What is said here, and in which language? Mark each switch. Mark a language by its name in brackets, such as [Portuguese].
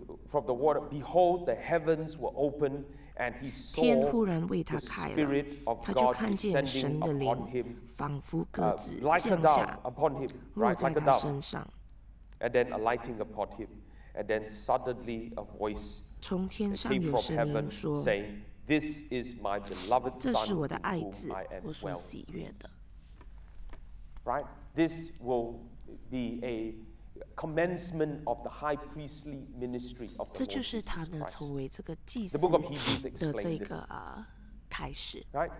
[English] From the water, behold, the heavens were open. [Chinese] 天忽然为他开了，他就看见神的灵仿佛鸽子降下，落在他身上。 [English] And then alighting upon him, and then suddenly a voice came from heaven saying, "This is my beloved son, [Chinese] 这是我的爱子，我所喜悦的。 [English] Right? This will be a commencement of the high priestly ministry of the Lord Jesus Christ. The book of Hebrews explains this. Right?